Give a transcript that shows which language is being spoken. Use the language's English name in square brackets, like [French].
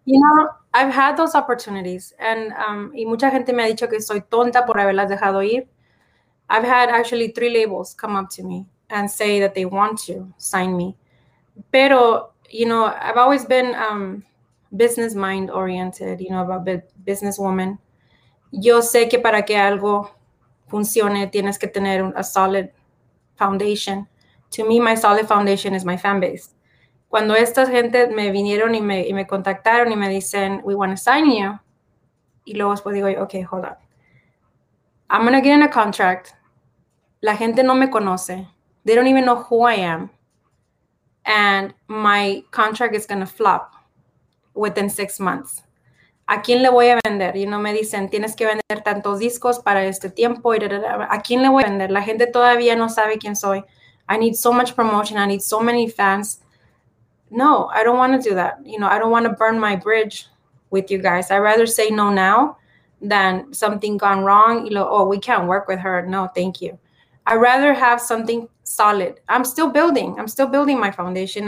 [English] you know, I've had those opportunities, and [Spanish] y mucha gente me ha dicho que soy tonta por haberlas dejado ir. [English] I've had actually 3 labels come up to me and say that they want to sign me. [Spanish] Pero, [English] you know, I've always been business mind oriented, you know, about businesswoman. [Spanish] Yo sé que para que algo funcione, tienes que tener [English] a solid foundation. To me, my solid foundation is my fan base. [Spanish] Cuando estas gente me vinieron y me contactaron y me dicen, [English] we want to sign you. [Spanish] Y luego después digo, [English] okay, hold on. I'm going to get in a contract. [Spanish] La gente no me conoce. [English] They don't even know who I am. And my contract is going to flop within 6 months. [Spanish] ¿A quién le voy a vender? Y no me dicen, tienes que vender tantos discos para este tiempo. Y da, da, da. ¿A quién le voy a vender? La gente todavía no sabe quién soy. [English] I need so much promotion. I need so many fans. No, I don't want to do that. You know, I don't want to burn my bridge with you guys. I'd rather say no now than something gone wrong. You know, oh, we can't work with her. No, thank you. I'd rather have something solid. I'm still building. I'm still building my foundation.